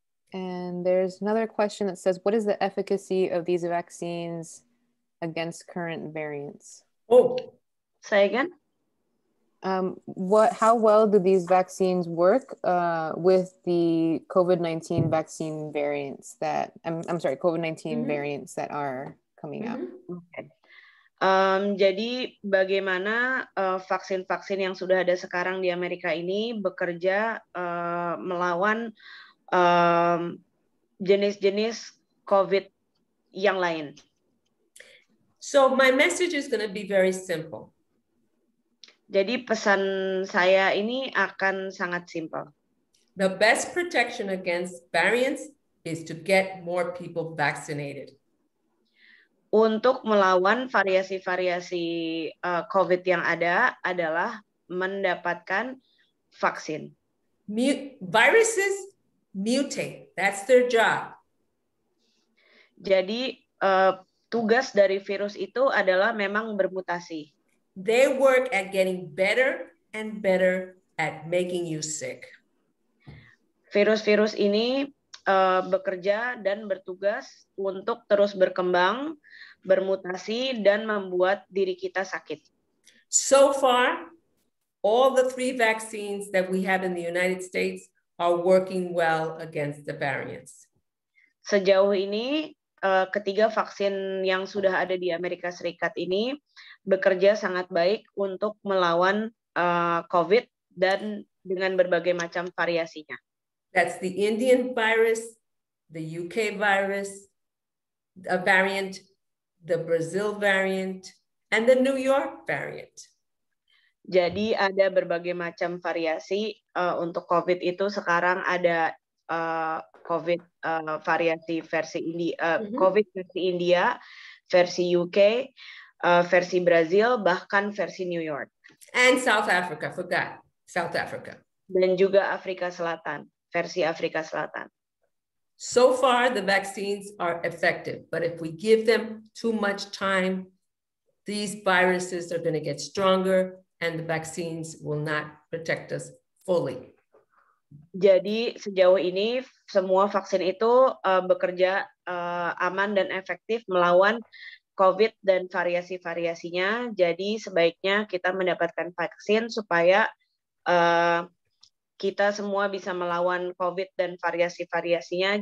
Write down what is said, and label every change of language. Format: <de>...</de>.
<en>And there's another question that says, what is the efficacy of these vaccines against current variants? Oh, say again. How well do these vaccines work with the COVID-19 vaccine variants that COVID-19 mm-hmm. variants that are coming mm-hmm. out? Okay.</en> <id>Jadi bagaimana vaksin-vaksin yang sudah ada sekarang di Amerika ini bekerja melawan jenis-jenis COVID yang lain?</id> <en>So my message is going to be very simple.</en> <id>Jadi pesan saya ini akan sangat simpel.</id> <en>The best protection against variants is to get more people vaccinated.</en> <id>Untuk melawan variasi-variasi COVID yang ada adalah mendapatkan vaksin.</id> <en>Viruses mutate. That's their job.</en> <id>Jadi tugas dari virus itu adalah memang bermutasi.</id> <en>They work at getting better and better at making you sick.</en> <id>Virus-virus ini bekerja dan bertugas untuk terus berkembang, bermutasi, dan membuat diri kita sakit.</id> <en>So far, all the three vaccines that we have in the United States are working well against the variants.</en> <id>Sejauh ini, ketiga vaksin yang sudah ada di Amerika Serikat ini bekerja sangat baik untuk melawan COVID dan dengan berbagai macam variasinya.</id> <en>That's the Indian virus, the UK virus, a variant, the Brazil variant, and the New York variant.</en> <id>Jadi ada berbagai macam variasi untuk COVID itu sekarang ada COVID variasi versi India, COVID versi India, versi UK, versi Brazil, bahkan versi New York.</id> <en>And South Africa, forgot. South Africa.</en> <id>Dan juga Afrika Selatan, versi Afrika Selatan.</id> <en>So far, the vaccines are effective, but if we give them too much time, these viruses are going to get stronger and the vaccines will not protect us fully.</en> <id>Jadi sejauh ini semua vaksin itu bekerja aman dan efektif melawan COVID dan variasi-variasinya. Jadi sebaiknya kita mendapatkan vaksin supaya kita semua bisa melawan COVID dan variasi-variasinya.</id>